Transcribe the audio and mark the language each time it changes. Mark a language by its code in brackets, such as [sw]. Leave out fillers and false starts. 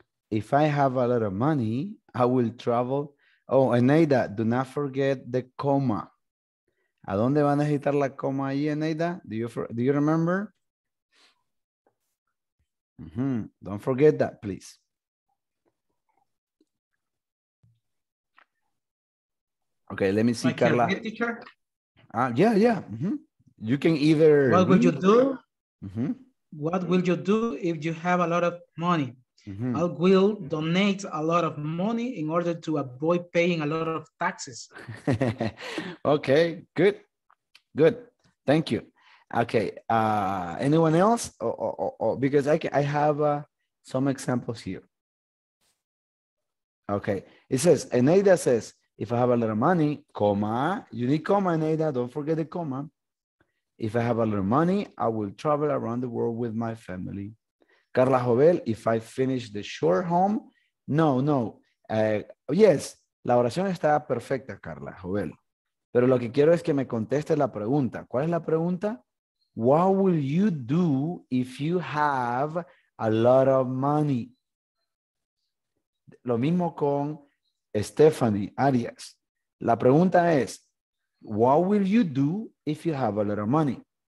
[en] If I have a lot of money, I will travel. Oh, and Aida, do not forget the comma. [es] ¿A dónde van a necesitar la coma ahí, Eneida? [en] Do you remember? Mm-hmm. Don't forget that, please. Okay, let me see, I Carla. Teacher? Yeah. Mm-hmm. You can either... What will you do? Mm-hmm. What will you do if you have a lot of money? Mm-hmm. I will donate a lot of money in order to avoid paying a lot of taxes. Okay, good. Thank you. Okay, anyone else? Oh, because I have some examples here. Okay, it says, Eneida says, if I have a lot of money, comma, you need comma, Eneida, don't forget the comma. If I have a lot of money, I will travel around the world with my family. Carla Jovel, if I finish the short home, no. [es] Yes, la oración está perfecta, Carla Jovel. Pero lo que quiero es que me conteste la pregunta. ¿Cuál es la pregunta? [en] What will you do if you have a lot of money? [es] Lo mismo con Stephanie Arias. La pregunta es, [en] what will you do if you have a lot of money?